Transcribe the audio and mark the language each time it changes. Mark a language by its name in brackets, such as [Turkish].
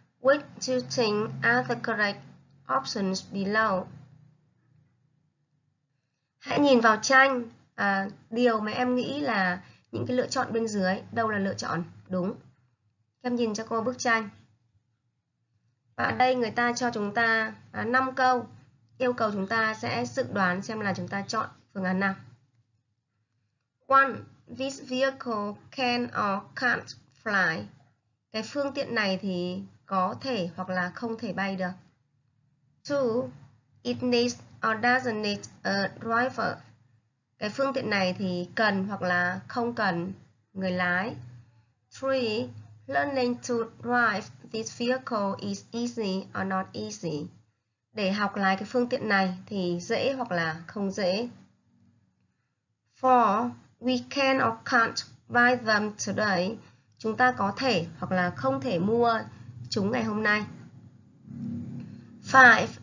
[English] Which do you think are the correct options below? [Vietnamese] Hãy nhìn vào tranh. Điều mà em nghĩ là những cái lựa chọn bên dưới, đâu là lựa chọn đúng? Em nhìn cho cô bức tranh. Và đây người ta cho chúng ta 5 câu. Yêu cầu chúng ta sẽ dự đoán xem là chúng ta chọn phương án nào. 1. [English] This vehicle can or can't fly. [Vietnamese] Cái phương tiện này thì có thể hoặc là không thể bay được. 2. [English] It needs or doesn't need a driver. [Vietnamese] Cái phương tiện này thì cần hoặc là không cần người lái. 3. [English] Learning to drive this vehicle is easy or not easy. [Vietnamese] Để học lái cái phương tiện này thì dễ hoặc là không dễ. 4. [English] We can or can't buy them today. [Vietnamese] Chúng ta có thể hoặc là không thể mua chúng ngày hôm nay. 5.